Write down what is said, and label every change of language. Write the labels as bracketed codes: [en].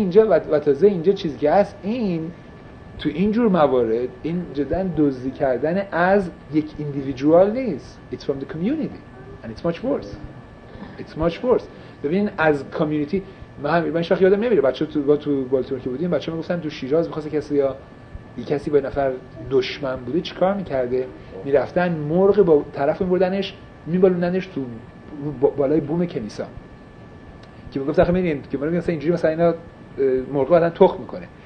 [fa] و تازه اینجا چیزی که هست این تو اینجور موارد این جدن دزدی کردن از یک ایندیویدوال نیست. [en] It's from the community and it's much worse. [fa] ببین از کامیونیتی من شاخ یادم نمیره بچه تو با تو بالتیمور که بودیم بچه‌ها میگفتن تو شیراز می‌خواست کسی یا کسی با نفر دشمن بوده چیکار می‌کرده؟ می‌رفتن مرغ با طرف می‌بردنش می‌بالوندنش تو بالای بوم کلیسا که میگفت آخه ببینید که مرغ مثلا اینجوری مثلا اینا مرغ بعدن تخم می‌کنه.